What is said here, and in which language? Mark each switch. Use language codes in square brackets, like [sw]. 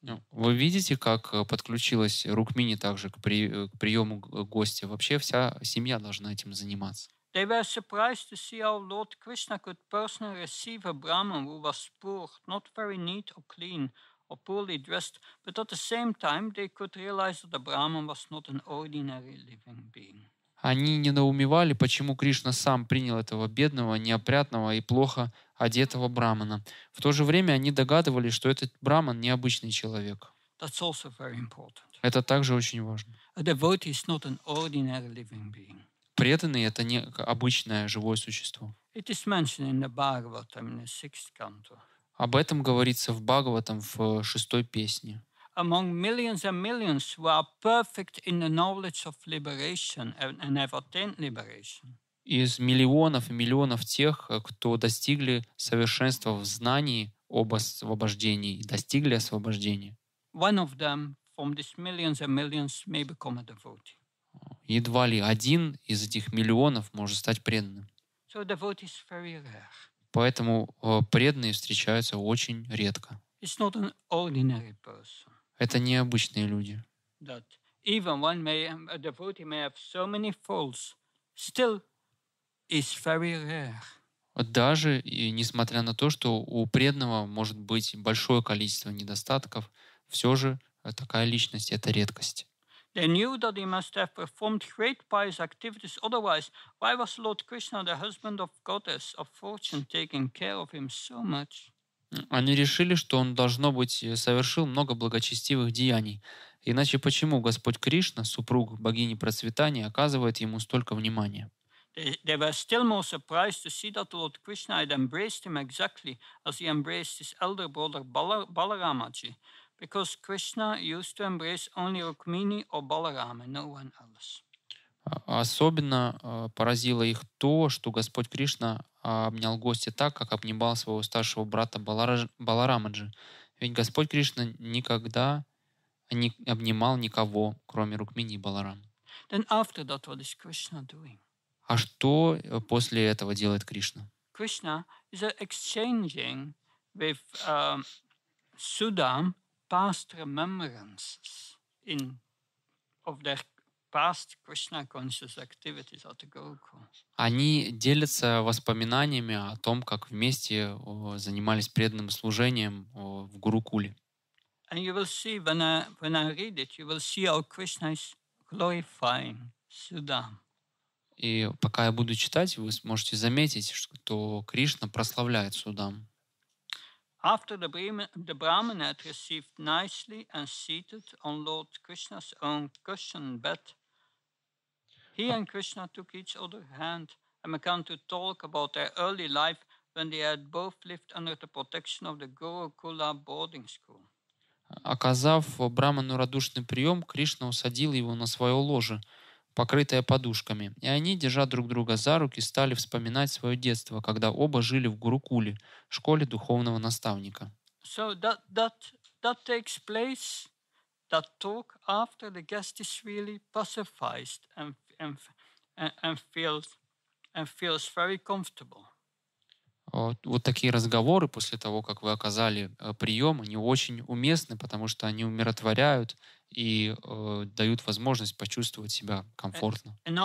[ru] Вы видите, как подключилась Рукмини также к приему гостя? Вообще вся семья должна этим заниматься. [en] They were surprised to see how Lord Krishna could personally receive a Brahman who was poor, not very neat or clean, or poorly dressed, but at the same time they could realize that the Brahman was not an ordinary living being. [ru] Они недоумевали, почему Кришна сам принял этого бедного, неопрятного и плохо одетого брахмана. В то же время они догадывались, что этот брахман необычный человек. [en] That's also very important. [ru] Это также очень важно. [en] A devotee is not an ordinary living being. [ru] Преданный — это не обычное живое существо. [en] It is mentioned in the Bhagavatam, in the sixth canto. [ru] Об этом говорится в Бхагаватам в шестой песне. [en] Among millions and millions who are perfect in the knowledge of liberation and have attained liberation. [ru] Из миллионов и миллионов тех, кто достигли совершенства в знании об освобождении, достигли освобождения. [en] One of them from these millions and millions may become a devotee. [ru] Едва ли один из этих миллионов может стать преданным. [en] So devotee is very rare. [ru] Поэтому преданные встречаются очень редко. [en] It's not an ordinary person. [ru] Это необычные люди. [en] That even one may, a devotee may have so many faults, still is very rare. [ru] Даже и несмотря на то, что у преданного может быть большое количество недостатков, все же такая личность — это редкость. [en] They knew that he must have performed great pious activities. Otherwise, why was Lord Krishna, the husband of goddess of fortune, taking care of him so much? [ru] Они решили, что он должно быть совершил много благочестивых деяний. Иначе почему Господь Кришна, супруг богини процветания, оказывает ему столько внимания? [en] They were still more surprised to see that Lord Krishna had embraced him exactly as he embraced his elder brother Balaramaji. Because Krishna used to embrace only Rukmini or Balarama, no one else. [ru] Особенно поразило их то, что Господь Кришна обнял гостя так, как обнимал своего старшего брата Баларамаджи. Ведь Господь Кришна никогда не обнимал никого, кроме Рукмини и Баларамы. [en] Then after that, what is Krishna doing? [ru] А что после этого делает Кришна? [en] Krishna is exchanging with Sudha past remembrances in of their past Krishna conscious activities at Gokul. [ru] Они делятся воспоминаниями о том, как вместе занимались преданным служением в Гурукуле. [en] And you will see when I read it, you will see how Krishna is glorifying Sudha. [ru] И пока я буду читать, вы сможете заметить, что Кришна прославляет Судам. [en] After the Brahmin had received nicely and seated on Lord Krishna's own cushioned bed, he and Krishna took each other's hand and began to talk about their early life when they had both lived under the protection of the Gurukula boarding school. [ru] Оказав Брахману радушный прием, Кришна усадил его на свое ложе, покрытая подушками, и они, держа друг друга за руки, стали вспоминать свое детство, когда оба жили в Гурукуле, школе духовного наставника. [en] So that takes place, that talk after the guest is really pacified and feels very comfortable. [ru] Вот такие разговоры после того, как вы оказали прием, они очень уместны, потому что они умиротворяют и дают возможность почувствовать себя комфортно.